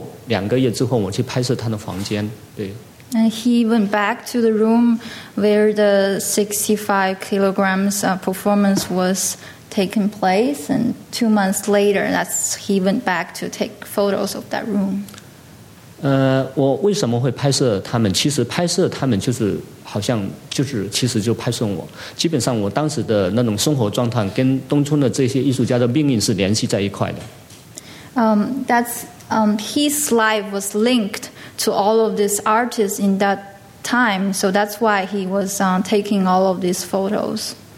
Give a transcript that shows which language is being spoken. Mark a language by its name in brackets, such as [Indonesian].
[Chinese] 还有这一张作品是这个房子被查封，就张环吊起来那个65公斤之后，两个月之后，我去拍摄他的房间，对。 [English] And he went back to the room where the 65 kilograms performance was taking place. And 2 months later, that's he went back to take photos of that room. [Chinese] 我为什么会拍摄他们？其实拍摄他们就是好像就是其实就拍摄我。基本上我当时的那种生活状态跟冬春的这些艺术家的命运是联系在一块的。 [English] His life was linked to all of these artists in that time, so that's why he was taking all of these photos.